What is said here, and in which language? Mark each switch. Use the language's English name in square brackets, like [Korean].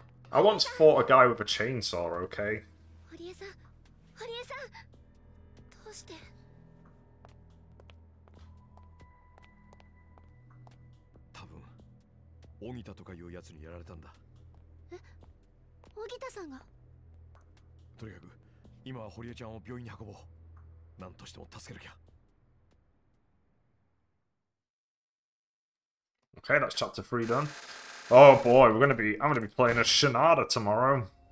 [English] I once fought a guy with a chainsaw, okay? [Japanese] 堀江さん、堀江さん、どうして？多分、荻田とかいうやつにやられたんだ。え、荻田さんが？とにかく今は堀江ちゃんを病院に運ぼう。何としても助けるきゃ。 [English] Okay, that's chapter 3 done. Oh boy, we're gonna be playing a Shinada tomorrow.